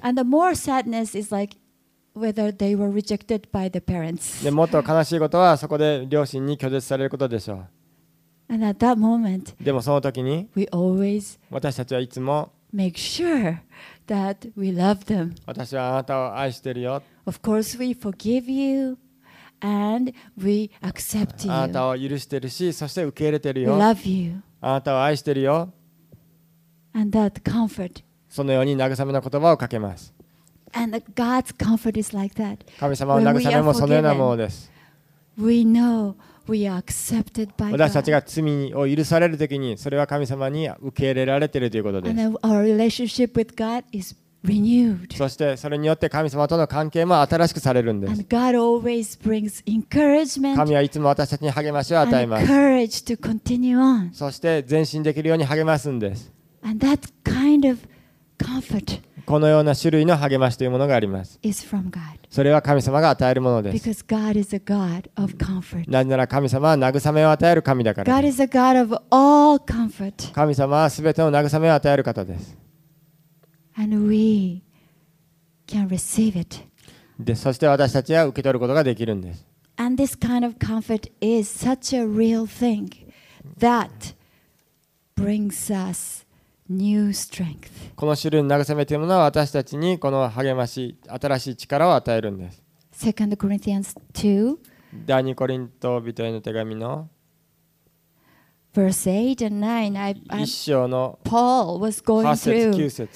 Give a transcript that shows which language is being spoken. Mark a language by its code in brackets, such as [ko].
[en] And the more sadness is like whether they were rejected by the parents. [ja] でもっと悲しいことはそこで両親に拒絶されることでしょう。 [en] And at that moment, [ja] でもその時に [en] we always [ja] 私たちはいつも [en] make sure that we love them. [ja] 私はあなたを愛してるよ。 [en] Of course we forgive youAnd we accept you. [ja] あなたを許してるし、そして受け入れてるよ。 [en] We love you. [ja] あなたを愛してるよ。 [en] And that comfort. [ja] そのように慰めの言葉をかけます。 [en] And God's comfort is like that. [ja] 神様の慰めもそのようなものです。 [en] We know we are accepted by God. [ja] 私たちが罪を許されるときに、それは神様に受け入れられているということです。 [en] And our relationship with God is perfect. Renewed. [ja] そしてそれによって神様との関係も新しくされるんです。 [en] And God always brings encouragement. [ja] 神はいつも私たちに励ましを与えます。 [en] And courage to continue on. [ja] そして前進できるように励ますんです。 [en] And that kind of comfort. [ja] このような種類の励ましというものがあります。 [en] Is from God. [ja] それは神様が与えるものです。 [en] Because God is a God of comfort. [ja] なぜなら神様は慰めを与える神だから。 [en] God is a God of all comfort. [ja] 神様はすべての慰めを与える方です。 [en] And we can receive it. [ja] で、そして私たちは受け取ることができるんです。 [en] And this kind of comfort is such a real thing that brings us new strength. [ja] この種類の慰めというものは私たちにこの励まし、新しい力を与えるんです。 [en] Second Corinthians 2. [ja] 第二コリント人への手紙の [en] Verse 8 and 9, Paul was going through